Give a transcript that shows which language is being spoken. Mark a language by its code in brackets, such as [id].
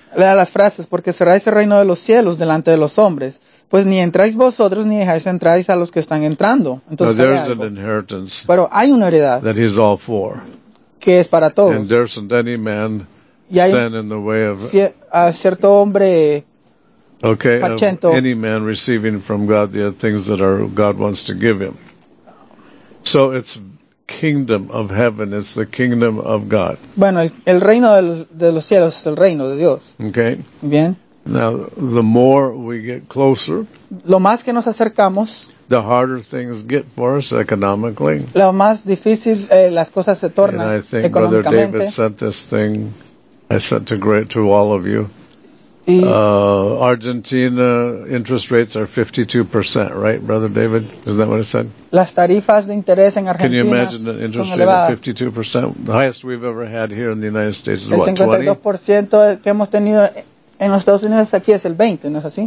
[es] Lea las frases, porque cerráis el reino de los cielos delante de los hombres, pues ni entráis vosotros ni dejáis entráis a los que están entrando. Entonces, [en] now there's an inheritance. [es] Pero hay una heredad. [en] That he's all for. [es] Que es para todos. [en] And there isn't any man stand in the way of. [es] A cierto hombre. [en] Okay. Pachento, any man receiving from God the things that are God wants to give him. So it's kingdom of heaven is the kingdom of God. [es] Bueno, el reino de los cielos es el reino de Dios. [en] Okay. [es] Bien. [en] Now, the more we get closer, [es] lo más que nos acercamos, [en] the harder things get for us economically. [es] Lo más difícil las cosas se tornan económicamente. [en] And I think Brother David sent this thing, I sent to all of you. Argentina interest rates are 52%, right, Brother David? Isn't that what it said? [es] Las tarifas de interés en Argentina. [en] Can you imagine an interest rate of 52%? The highest we've ever had here in the United States is what, 20? [es] El 52% que hemos tenido en los Estados Unidos aquí es el 20, ¿no es así?